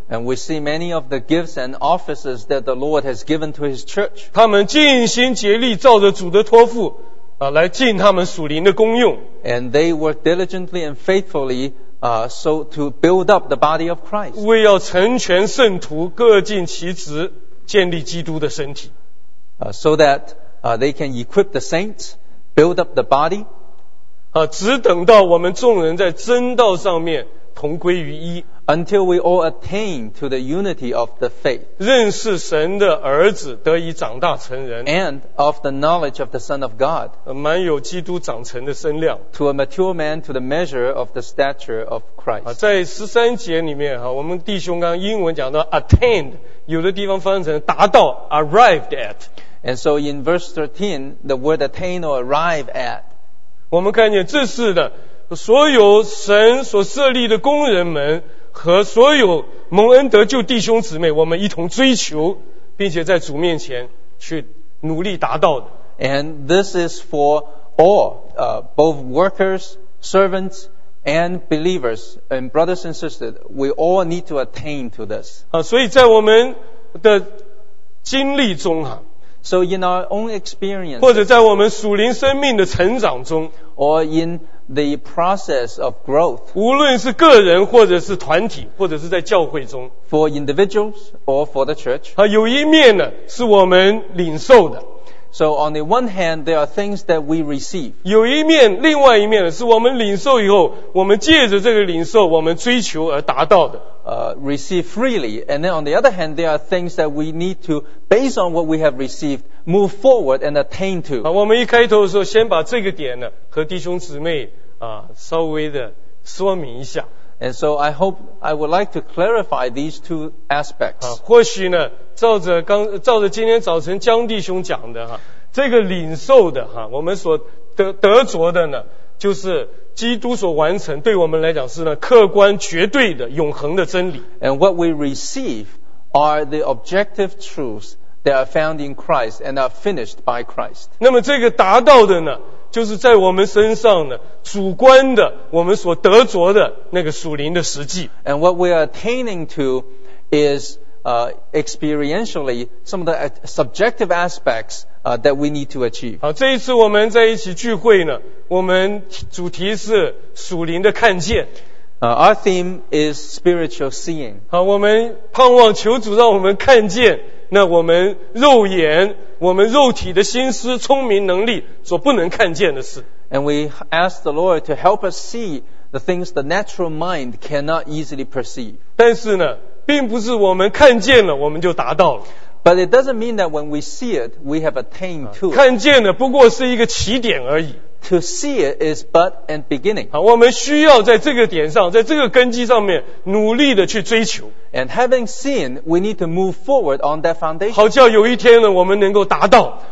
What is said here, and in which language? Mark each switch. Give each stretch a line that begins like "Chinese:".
English: And we see many of the gifts and offices that the Lord has given to His church.
Chinese: 他们尽心竭力，照着主的托付，来尽他们属灵的功用。
English: And they work diligently and faithfully, so to build up the body of Christ.
Chinese: 为要成全圣徒，各尽其职，建立基督的身体。
English: So that, they can equip the saints, build up the body.
Chinese: 只等到我们众人在真道上面同归于一
English: ，until we all attain to the unity of the faith，
Chinese: 认识神的儿子得以长大成人
English: ，and of the knowledge of the Son of God，
Chinese: 满有基督长成的身量
English: ，to a mature man to the measure of the stature of Christ。
Chinese: 在十三节里面我们弟兄刚英文讲到 attained， 有的地方翻成达到
English: arrived at。 And so in verse 13, the word attain or arrive at。
Chinese: 我们看见这是的所有神所设立的工人们和所有蒙恩得救弟兄姊妹，我们一同追求，并且在主面前去努力达到的。
English: And this is for all, both workers, servants, and believers, and brothers and sisters. We all need to attain to this.
Chinese: 啊，所以在我们的经历中啊。
English: So in our own experience,
Chinese: 或者在我们属灵生命的成长中
English: or in the process of growth,
Chinese: 无论是个人或者是团体或者是在教会中
English: for individuals or for the church,
Chinese: 有一面呢是我们领受的
English: So on the one hand, there are things that we receive,
Chinese: 有一面另外一面呢是我们领受以后我们借着这个领受我们追求而达到的
English: receive freely, and then on the other hand, there are things that we need to, based on what we have received, move forward and attain to.
Chinese: 好，我们一开头的时候，先把这个点呢和弟兄姊妹啊稍微的说明一下。
English: And so I hope I would like to clarify these two aspects.
Chinese: 啊，或许呢，照着今天早晨江弟兄讲的哈，这个领受的哈，我们所得着的呢，就是。基督所完成对我们来讲是呢客观绝对的永恒的真理
English: And what we receive are the objective truths that are found in Christ and are finished by Christ
Chinese: 那么这个达到的呢就是在我们身上呢主观的我们所得着的那个属灵的实际
English: And what we are attaining to is experientially some of the subjective aspectsthat we need to achieve.
Chinese: 好，这一次我们在一起聚会呢，我们主题是属灵的看见。
English: Our theme is spiritual seeing.
Chinese: 好，我们盼望求主让我们看见那我们肉眼、我们肉体的心思、聪明能力所不能看见的事。
English: And we ask the Lord to help us see the things the natural mind cannot easily perceive.
Chinese: 但是呢，并不是我们看见了我们就达到了。
English: But it doesn't mean that when we see it, we have attained to it.
Chinese: 看见的不过是一个起点而已。
English: To see it is but a beginning.
Chinese: 好，我们需要在这个点上，在这个根基上面努力的去追求。
English: And having seen, we need to move forward on that foundation.
Chinese: 好叫有一天呢，我们能够达到。